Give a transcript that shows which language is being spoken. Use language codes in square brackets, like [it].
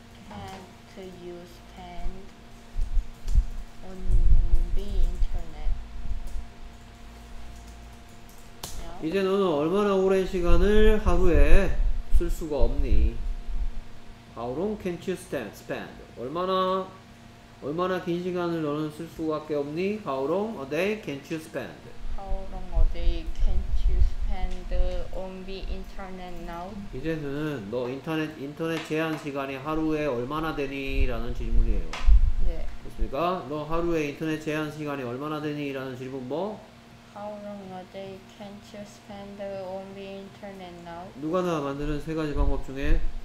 [en] Had you spend on the internet? [ko] 이제 너는 얼마나 오랜 시간을 하루에 쓸 수가 없니? [en] How long can't you spend? [ko] 얼마나 긴 시간을 너는 쓸 수밖에 없니? [en] How long a day can't you spend? How long a day can't you spend on the internet now? [ko] 이제는 너 인터넷 제한 시간이 하루에 얼마나 되니? 라는 질문이에요. 네. 그렇습니까? 너 하루에 인터넷 제한 시간이 얼마나 되니? 라는 질문 뭐? [en] How long a day can't you spend on the internet now? [ko] 누가 나 만드는 세 가지 방법 중에?